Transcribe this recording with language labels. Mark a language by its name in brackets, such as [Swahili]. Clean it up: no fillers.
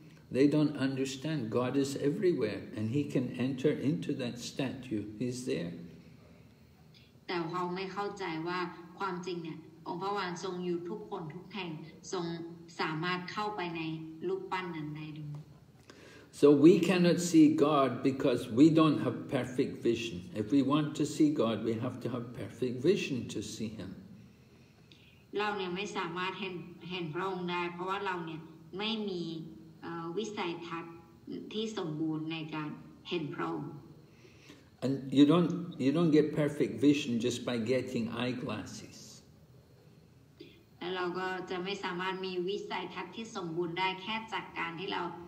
[English] They don't understand. God is everywhere and he can enter into that statue. He's there. But they don't understand. God is everywhere and he can enter into that statue. [Thai] ความจริงเนี่ยองค์พระวานทรงอยู่ทุกคนทุกแห่งทรงสามารถเข้าไปในรูปปั้นนั้นได้ [English] So we cannot see God because we don't have perfect vision. If we want to see God, we have to have perfect vision to see Him. [Thai] เราเนี่ยไม่สามารถเห็นพระองค์ได้เพราะว่าเราเนี่ยไม่มีวิสัยทัศน์ที่สมบูรณ์ในการเห็นพระองค์ [English] And you don't get perfect vision just by getting eyeglasses. [Thai] แล้วเราก็จะไม่สามารถมีวิสัยทัศน์ที่สมบูรณ์ได้แค่จากการที่เรา